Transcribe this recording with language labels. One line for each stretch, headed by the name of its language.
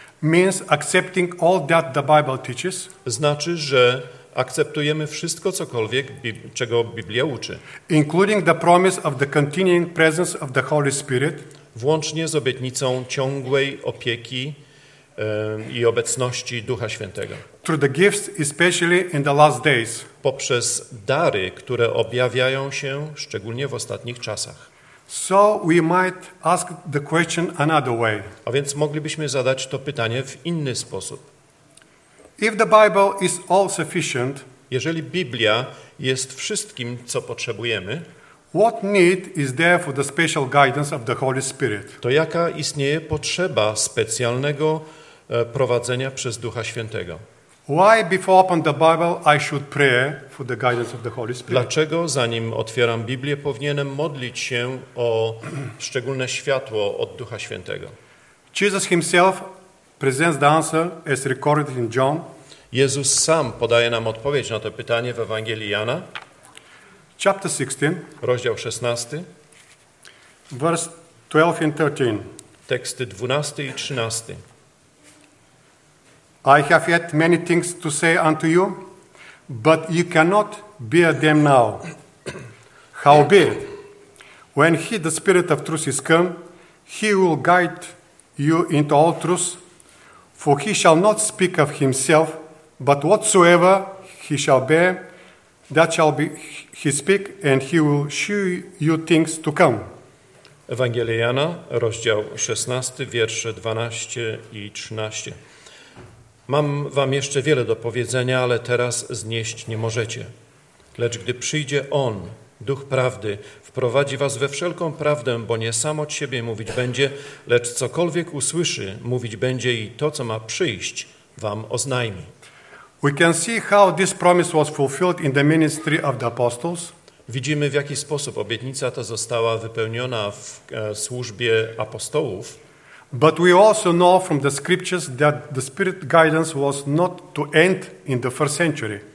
English: means accepting all that the Bible teaches,
Polish: znaczy, że akceptujemy wszystko, cokolwiek, czego Biblia uczy,
English: including the promise of the continuing presence of the Holy Spirit,
Polish: włącznie z obietnicą ciągłej opieki i obecności Ducha Świętego.
English: Through the gifts, especially in the last days.
Polish: Poprzez dary, które objawiają się szczególnie w ostatnich czasach.
English: So we might ask the question another way.
Polish: A więc moglibyśmy zadać to pytanie w inny sposób.
English: If the Bible is all sufficient,
Polish: jeżeli Biblia jest wszystkim, co potrzebujemy,
English: what need is there for the special guidance of the Holy Spirit?
Polish: To jaka istnieje potrzeba specjalnego prowadzenia przez Ducha Świętego?
English: Why before open the Bible I should pray for the guidance of the Holy Spirit?
Polish: Dlaczego zanim otwieram Biblię powinienem modlić się o szczególne światło od Ducha Świętego?
English: Jesus himself presents the answer as recorded in John.
Polish: Jezus sam podaje nam odpowiedź na to pytanie w Ewangelii Jana.
English: Chapter 16,
Polish: rozdział 16,
English: verse 12 and 13.
Polish: Teksty 12 i 13.
English: I have yet many things to say unto you, but you cannot bear them now. Howbeit, when he, the Spirit of truth, is come, he will guide you into all truth, for he shall not speak of himself, but whatsoever he shall bear, that shall be he speak, and he will shew you things to come.
Polish: Ewangelia Jana, rozdział 16, wiersze 12 i 13. Mam wam jeszcze wiele do powiedzenia, ale teraz znieść nie możecie. Lecz gdy przyjdzie On, Duch Prawdy, wprowadzi was we wszelką prawdę, bo nie sam od siebie mówić będzie, lecz cokolwiek usłyszy, mówić będzie i to, co ma przyjść, wam oznajmi.
English: We can see how this promise was fulfilled in the ministry of the apostles.
Polish: Widzimy, w jaki sposób obietnica ta została wypełniona w służbie apostołów.
English: But we also know from the scriptures that the spirit guidance was not to end in the first century.